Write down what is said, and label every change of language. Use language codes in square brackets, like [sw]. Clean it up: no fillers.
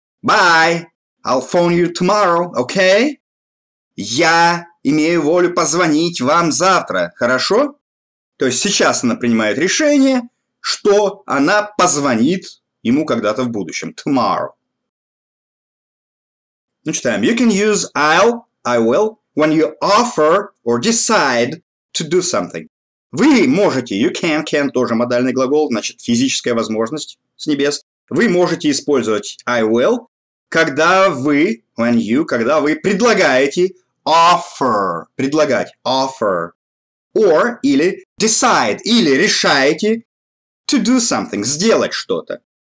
[en] Bye! I'll phone you tomorrow, okay? [ru] Я имею волю позвонить вам завтра, хорошо? То есть сейчас она принимает решение, что она позвонит ему когда-то в будущем. [en] Tomorrow. [ru] Ну, читаем. [en] You can use I'll, I will, when you offer or decide to do something. [ru] Вы можете, you can тоже модальный глагол, значит, физическая возможность с небес. Вы можете использовать I will, когда вы, [en] when you, [ru] когда вы предлагаете offer, предлагать, offer, or, или decide, или решаете [en] to do something, [ru] сделать что-то.